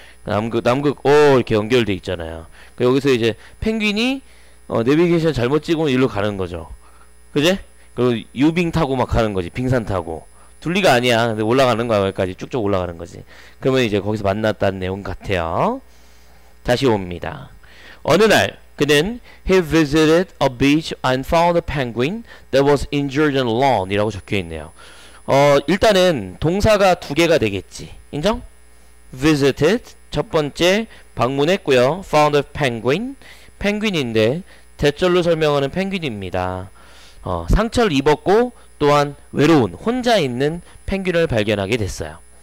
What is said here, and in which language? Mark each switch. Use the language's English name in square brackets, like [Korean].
[Korean] 남극 오 이렇게 연결돼 있잖아요. 여기서 이제 펭귄이 내비게이션 잘못 찍으면 일로 가는 거죠. 그지? 그리고 유빙 타고 막 가는 거지. 빙산 타고 둘리가 아니야. 근데 올라가는 거야. 여기까지 쭉쭉 올라가는 거지. 그러면 이제 거기서 만났다는 내용 같아요. 다시 옵니다. 어느 날 그는 [English] he visited a beach and found a penguin that was injured and alone [Korean] 이라고 적혀 있네요. 일단은 동사가 두 개가 되겠지. 인정? visited 첫 번째 방문했고요. [English] found a penguin [Korean] 펭귄인데 대절로 설명하는 펭귄입니다. 상처를 입었고 또한 외로운 혼자 있는 펭귄을 발견하게 됐어요.